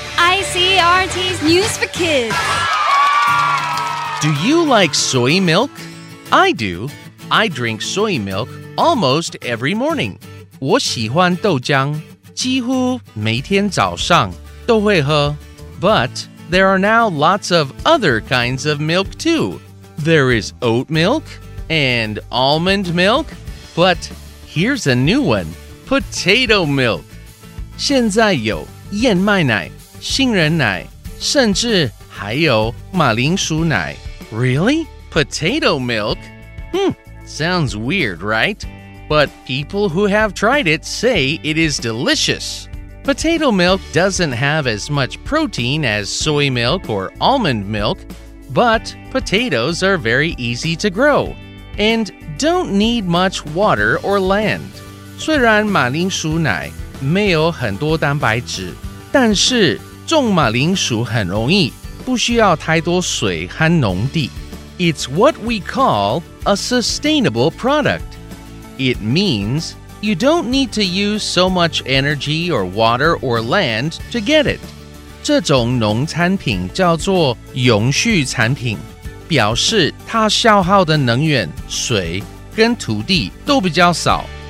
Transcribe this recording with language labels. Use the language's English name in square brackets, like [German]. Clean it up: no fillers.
[English] ICRT's News for Kids! Do you like soy milk? I do. I drink soy milk almost every morning. [Chinese] 我喜欢豆浆，几乎每天早上都会喝。 [English] But there are now lots of other kinds of milk too. There is oat milk and almond milk. But here's a new one, potato milk. [Chinese] 现在有燕麦奶、杏仁奶，甚至还有马铃薯奶。 [English] Really? Potato milk? Sounds weird, right? But people who have tried it say it is delicious. Potato milk doesn't have as much protein as soy milk or almond milk, but potatoes are very easy to grow and don't need much water or land. [Chinese] 虽然马铃薯奶没有很多蛋白质，但是种马铃薯很容易。不需要太多水和农地。 [English] It's what we call a sustainable product. It means you don't need to use so much energy or water or land to get it. [Chinese] 这种农产品叫做永续产品，表示它消耗的能源、水跟土地都比较少。